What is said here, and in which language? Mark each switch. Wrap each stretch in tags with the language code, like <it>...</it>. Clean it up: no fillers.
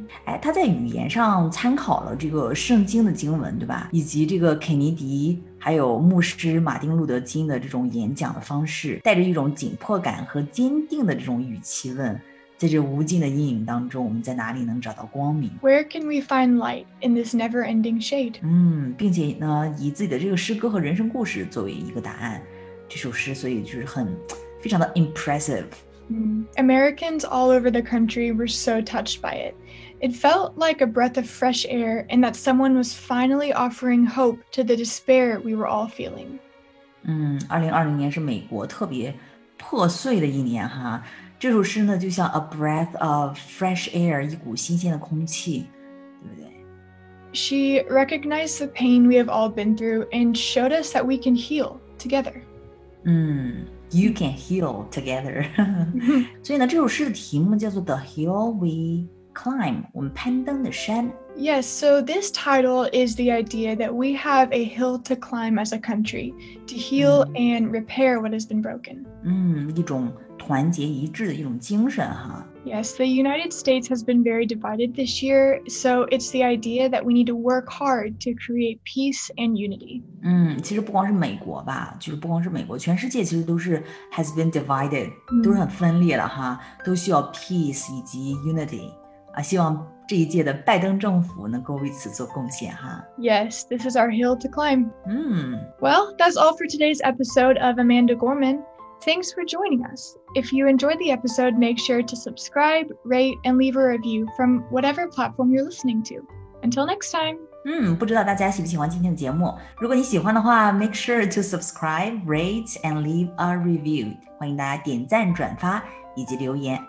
<zh>哎，他在语言上参考了这个圣经的经文，对吧？以及这个肯尼迪还有牧师马丁路德金的这种演讲的方式，带着一种紧迫感和坚定的这种语气问，在这无尽的阴影当中，我们在哪里能找到光明？</zh> <en>Where can we find light in this never-ending shade?</en> <zh>并且呢，以自己的这个诗歌和人生故事作为一个答案，这首诗，所以就是很非常的 impressive。</zh> <en>Americans all over the country were so touched by it. It felt like a breath of fresh air, and that someone was finally offering hope to the despair we were all feeling.</en> <zh>2020年是美国特别破碎的一年哈。这首诗呢就像</zh> <en>a breath of fresh air,</en> <zh>一股新鲜的空气，对不对？</zh> <en>She recognized the pain we have all been through and showed us that we can heal together. You can heal together.</en> <zh>所以呢这首诗的题目叫做 The Hill We Climb, 我们攀登的山。</zh> <en>Yes, so this title is the idea that we have a hill to climb as a country to heal and repair what has been broken.</en> <zh>一种团结一致的一种精神哈。</zh> <en>Yes, the United States has been very divided this year, so it's the idea that we need to work hard to create peace and unity.</en> <zh>其实不光是美国吧，就是不光是美国，全世界其实都是</zh> <en>has been divided,</en> <zh>都是很分裂了哈，都需要 peace 以及 unity. 希望这一届的拜登政府能够为此做贡献哈。</zh> <en>Yes, this is our hill to climb. Well, that's all for today's episode of Amanda Gorman. Thanks for joining us. If you enjoyed the episode, make sure to subscribe, rate, and leave a review from whatever platform you're listening to. Until next time.</en> <zh>不知道大家喜不喜欢今天的节目。如果你喜欢的话</zh> <en>，make sure to subscribe, rate, and leave a review.</en> <zh>欢迎大家点赞、转发以及留言。</zh>